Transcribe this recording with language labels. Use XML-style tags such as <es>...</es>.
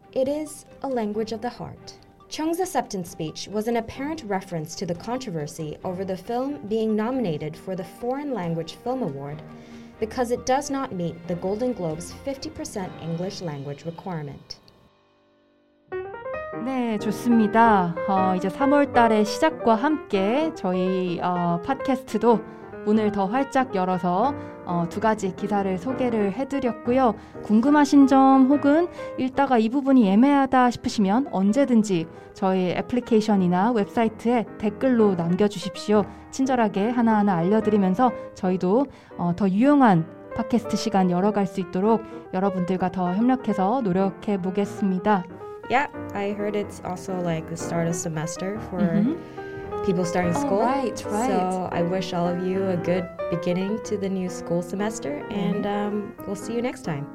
<en>It is a language of the heart. Chung's acceptance speech was an apparent reference to the controversy over the film being nominated for the Foreign Language Film Award because it does not meet the Golden Globe's 50% English language requirement.</en> <ko>네, 좋습니다. 이제 3월 달의 시작과 함께 저희 팟캐스트도 문을 더 활짝 열어서 두 가지 기사를 소개를 해드렸고요. 궁금하신 점 혹은 읽다가 이 부분이 애매하다 싶으시면 언제든지 저희 애플리케이션이나 웹사이트에 댓글로 남겨주십시오. 친절하게 하나하나 알려드리면서 저희도 더 유용한 팟캐스트 시간 열어갈 수 있도록 여러분들과 더 협력해서 노력해 보겠습니다.</ko> <en>Yeah, I heard it's also like the start of semester for people starting school. Oh, right, right. So I wish all of you a good beginning to the new school semester, and we'll see you next time.</en>